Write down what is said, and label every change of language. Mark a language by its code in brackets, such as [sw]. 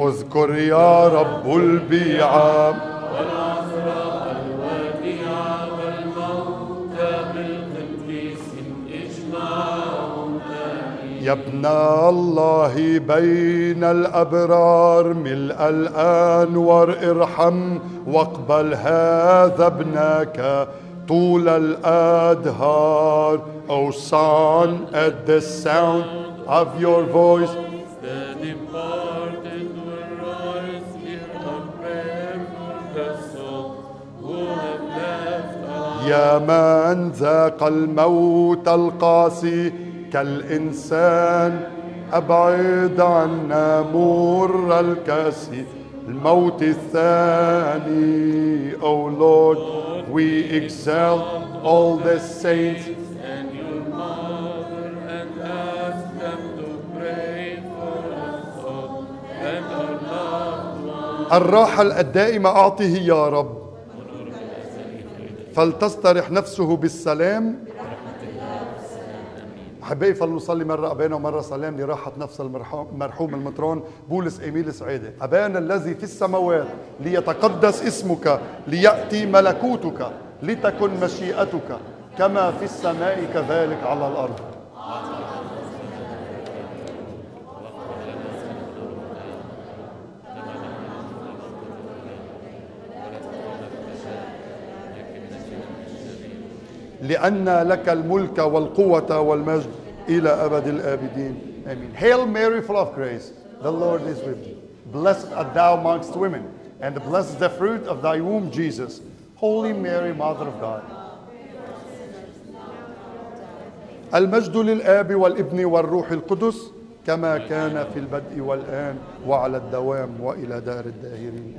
[ar] اذكر يا رب البيعة يا ابن الله بين الأبرار ملء الأنوار ارحم واقبل هذا ابنك طول الأدهار أو [en] son at the sound of your voice the departed will rise in a prayer for the soul who have left [ar] يا من ذاق الموت القاسي كالإنسان أبعد عنا مر الكاسي الموت الثاني [en] O Lord we exalt all the saints and your mother and ask them to pray for us all and our loved ones [ar] الراحة الدائمة أعطه يا رب فلتسترح نفسه بالسلام حبيبي فلو صلي مرة أبانا ومرة سلام لراحة نفس المرحوم المطران بولس اميل سعادة. أبانا الذي في السماوات ليتقدس اسمك، ليأتي ملكوتك، لتكن مشيئتك كما في السماء كذلك على الأرض. لأن لك الملك والقوة والمجد إلى أبد الآبدين. آمين. [en] Hail Mary, full of grace, the Lord is with thee. Blessed art thou amongst women, and blessed is the fruit of thy womb, Jesus. Holy Mary, Mother of God. [ar] المجد للآب والابن والروح القدس كما كان في البدء والآن وعلى الدوام وإلى دار الداهرين.